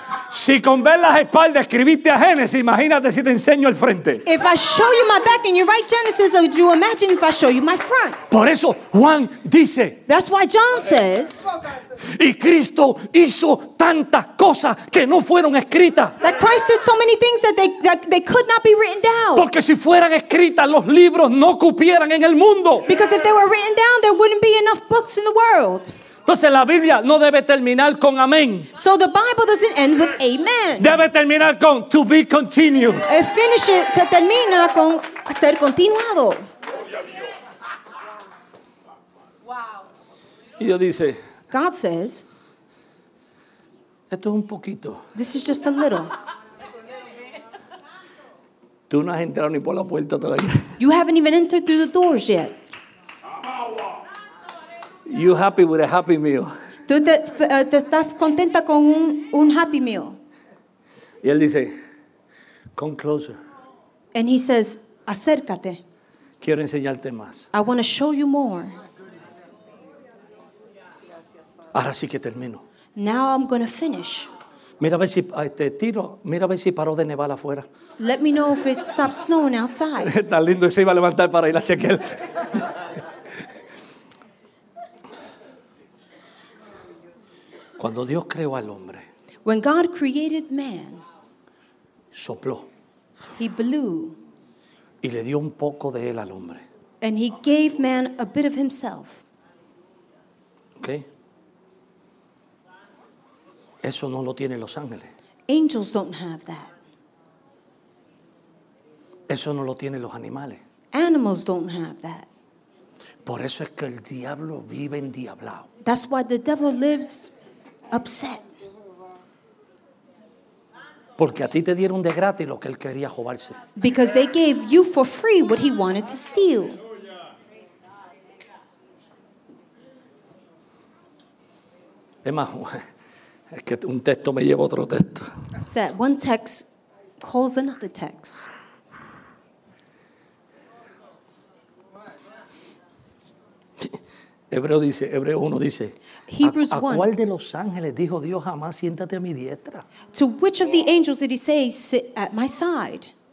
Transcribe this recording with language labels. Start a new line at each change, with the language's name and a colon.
Spanish: Si con ver las espaldas escribiste a Génesis, imagínate si te enseño el frente.
English: If I show you my back and you write Genesis, would you imagine if I show you my front?
Spanish: Por eso Juan dice.
English: That's why John says.
Spanish: Y Cristo hizo tantas cosas que no fueron escritas.
English: That Christ did so many things that they could not be written down.
Spanish: Porque si fueran escritas, los libros no cupieran en el mundo.
English: Because if they were written down, there wouldn't be enough books in the world.
Spanish: Entonces la Biblia no debe terminar con amén.
English: So the Bible doesn't end with amen.
Spanish: Debe terminar con
English: to be continued. It finishes,
Spanish: se termina con ser continuado. Y Dios dice.
English: God says.
Spanish: Esto es un poquito.
English: This is just a little.
Spanish: Tú no has entrado ni por la puerta todavía.
English: You haven't even entered through the doors yet. You happy with a happy meal.
Spanish: Tú te estás contenta con un happy meal. Y él dice,
English: come closer. And he says,
Spanish: acércate. Quiero enseñarte más.
English: I want to show you more.
Spanish: Ahora sí que termino.
English: Now I'm going to finish.
Spanish: Mira a ver si este tiro, mira a ver si paró de nevar afuera.
English: Let me know if it stops snowing outside.
Spanish: Tan lindo, se iba a levantar para ir a chequear. Cuando Dios creó al hombre.
English: When God created man.
Spanish: Sopló.
English: He blew.
Spanish: Y le dio un poco de él al hombre.
English: And he gave man a bit of himself. Okay.
Spanish: Eso no lo tienen los ángeles.
English: Angels don't have that.
Spanish: Eso no lo tienen los animales.
English: Animals don't have that.
Spanish: Por eso es que el diablo vive endiablado.
English: That's why the devil lives upset.
Spanish: Porque a ti te dieron de gratis lo que él quería robarse.
English: Because they gave you for free what he wanted to steal.
Spanish: Es más, es que un texto me lleva a otro texto.
English: That one text calls another text.
Spanish: Hebreo dice, Hebreo 1 dice,
English: Hebrews 1.
Spanish: ¿A cuál de los ángeles dijo Dios jamás siéntate a mi diestra?
English: To which of the angels did he say sit at my side?